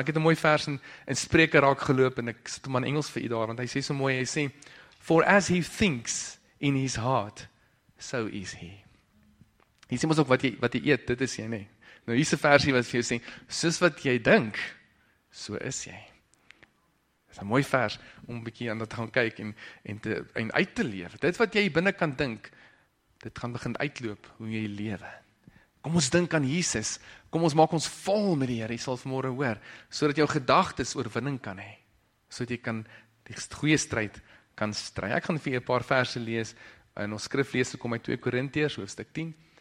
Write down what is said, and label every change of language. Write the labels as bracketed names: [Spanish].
[Afrikaans] Ek het 'n mooi vers in Spreuke raak geloop, en ek sit hom in Engels vir jy daar, want hy sê so mooi, hy sê, [English] "For as he thinks in his heart, so is he." [Afrikaans] Hy sê mos ook wat jy eet, dit is jy, nee. Nou, hier is 'n versie wat vir jou sê, soos wat jy dink, so is jy. Dit is een mooi vers om een bykie aan dat te gaan kyk en uit te leef. Dit wat jy binnen kan dink, dit gaan begin uitloop hoe jy lewe. Kom ons dink aan Jesus, kom ons maak ons vol met die Heer, jy sal vanmorgen hoor, so dat jou gedagtes oorwinning kan hê, so dat jy kan die goeie stryd kan stry. Ek gaan vir jy 'n paar verse lees, en ons skrif lees, kom uit 2 Korintiërs, hoofstuk 10.